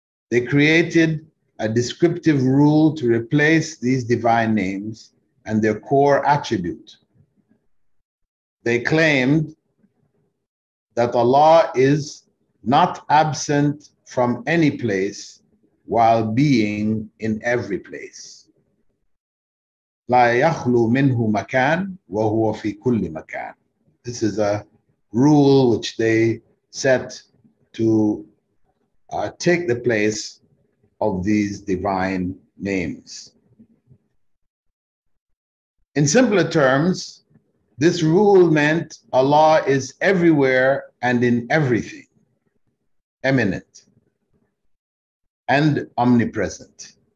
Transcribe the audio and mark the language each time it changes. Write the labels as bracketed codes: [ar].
[en] They created a descriptive rule to replace these divine names and their core attribute. They claimed that Allah is not absent from any place while being in every place. [ar] لا يخلو منه مكان وهو في كل مكان. [en] This is a rule which they set to take the place of these divine names. In simpler terms, this rule meant Allah is everywhere and in everything, eminent and omnipresent.